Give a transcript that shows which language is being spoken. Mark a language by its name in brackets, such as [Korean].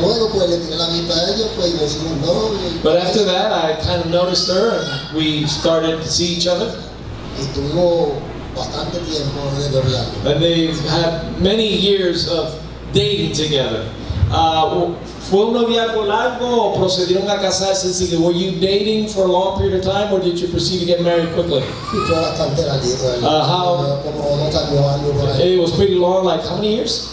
[English] But after that, I kind of noticed her, and we started to see each other. And they've had many years of dating together. [Spanish] ¿Fue un noviazgo largo o procedieron a casarse enseguida? [English] Were you dating for a long period of time or did you proceed to get married quickly? It was pretty long, like how many years?